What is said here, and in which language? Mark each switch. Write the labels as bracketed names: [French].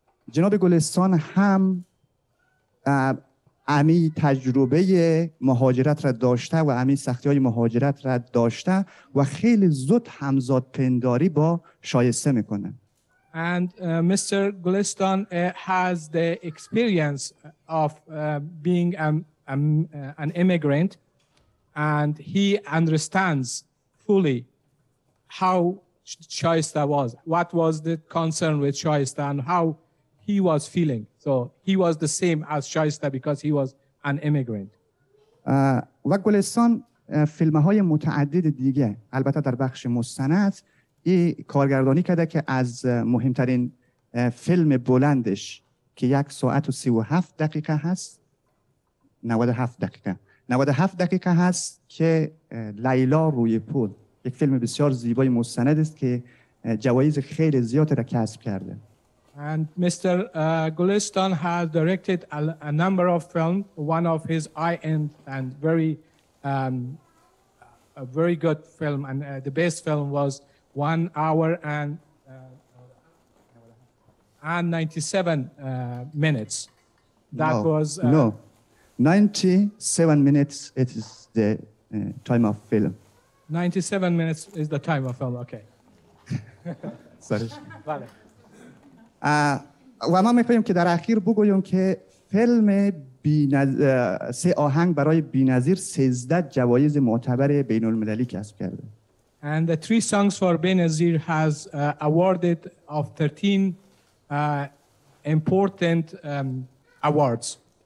[Persian] جناب گلستان هم امی تجربه مهاجرت را داشته و امی سختی های مهاجرت را داشته و خیلی زود همزاد پنداری با شایسته میکنه. [English] And Mr. Gulistan has the experience of being an immigrant and he understands fully how Shaista was. What was the concern with Shaista and how he was feeling? So he was the same as Shaista because he was an immigrant. [Persian] و گلستان فیلم‌های متعدد دیگه البته در بخش مستند ای کارگردانی کرده که از مهمترین فیلم بلندش که 1:37 هست 97 دقیقه هست که لیلا روی پل یک فیلم بسیار زیبای مستند است که جوایز خیلی زیادی را کسب کرده. [English] And Mr. Gulistan has directed a number of films. One of his high-end and very, a very good film, and the best film was 1 hour and 97 minutes. That no, was no, 97 minutes. It is the time of film. 97 minutes is the time of film. Okay. Sorry. Vale. [Persian] و ما میخواییم که در اخیر بگویم که فیلم سه آهنگ برای بی‌نظیر 13 جوایز معتبر بین المللی کسب کرده. [English] And the three songs for Benazir has awarded of 13 important awards.